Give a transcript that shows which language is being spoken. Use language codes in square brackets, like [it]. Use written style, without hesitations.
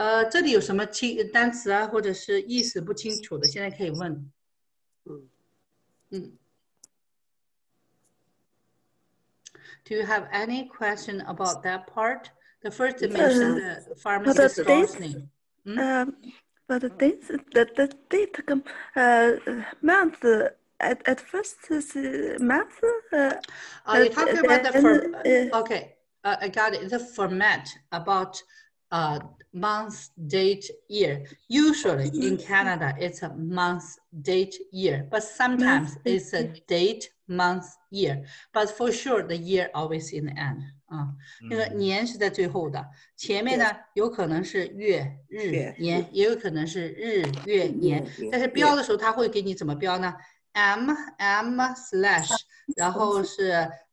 [zh] 这里有什么单词啊，或者是意思不清楚的，现在可以问。嗯。嗯。 [en] Do you have any question about that part? The first dimension, the pharmacist's store's name. But the date, the date, month, at first, month? Are you talking about the format? Okay, I got it. The format about... month, date, year. Usually in Canada, it's a month, date, year. But sometimes it's a date, month, year. But for sure, the year always in the end. [zh] 那个年是在最后的。前面呢，有可能是月、日、年，也有可能是日、月、年。但是标的时候，它会给你怎么标呢 ？M/, 然后是。